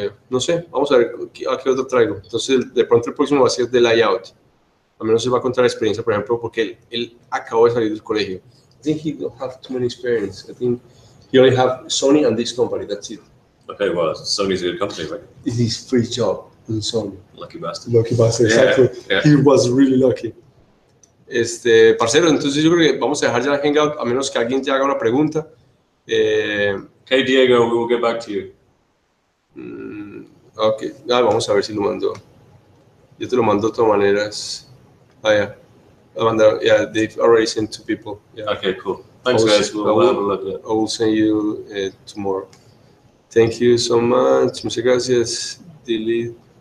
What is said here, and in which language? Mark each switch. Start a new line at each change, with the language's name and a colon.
Spanish: No sé, vamos a ver a qué otro traigo. Entonces de pronto el próximo va a ser de layout. Al menos se va a contar la experiencia, por ejemplo, porque él acabó de salir del colegio.
English: I think he don't have too many experience. I think he only have Sony and this company. That's it. Okay, well, Sony's a good company, right? It's his first job in Sony. Lucky bastard. Lucky bastard, exactly. Yeah, yeah. He was really lucky.
Spanish: Parcero, entonces yo creo que vamos a dejar ya el hangout, a menos que alguien te haga una pregunta.
English: Okay, Diego, we will get back to you.
Spanish: Okay, vamos a ver si lo mando. Yo te lo mando de todas maneras.
English: They've already sent two people. Yeah. Okay, cool. Thanks, guys. I will send you tomorrow. Thank you so much.
Spanish: Muchas gracias.
English: Delete.